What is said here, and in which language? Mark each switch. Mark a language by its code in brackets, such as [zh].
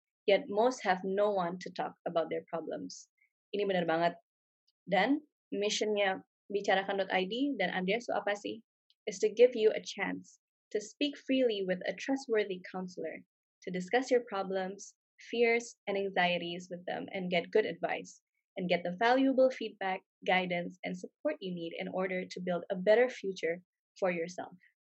[en] Yet most have no one to talk about their problems. [id] Ini benar banget. Dan missionnya Bicarakan.id dan Andreas itu apa sih? [en] Is to give you a chance to speak freely with a trustworthy counselor, to discuss your problems, fears, and anxieties with them and get good advice and get the valuable feedback, guidance, and support you need in order to build a better future for yourself.